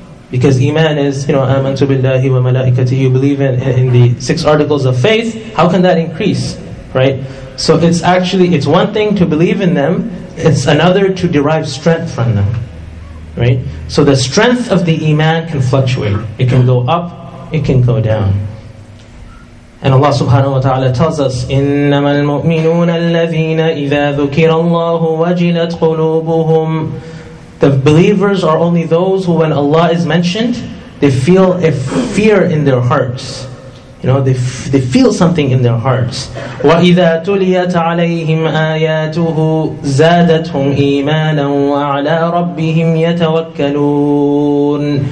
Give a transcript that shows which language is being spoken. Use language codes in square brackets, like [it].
[en] Because iman is, you know, [ar] amantu billahi wa malaikatihi, [en] you believe in the six articles of faith, how can that increase, right? So it's one thing to believe in them, it's another to derive strength from them, right? So the strength of the iman can fluctuate. It can go up, it can go down. And Allah subhanahu wa ta'ala tells us, [ar] إِنَّمَا الْمُؤْمِنُونَ الَّذِينَ إِذَا ذُكِرَ اللَّهُ وَجِلَتْ قُلُوبُهُمْ. [en] The believers are only those who, when Allah is mentioned, they feel a fear in their hearts. You know, they feel something in their hearts. [ar] وَإِذَا تُلِيَتْ عَلَيْهِمْ آيَاتُهُ زَادَتْهُمْ إِيمَانًا وَعَلَىٰ رَبِّهِمْ يَتَوَكَّلُونَ.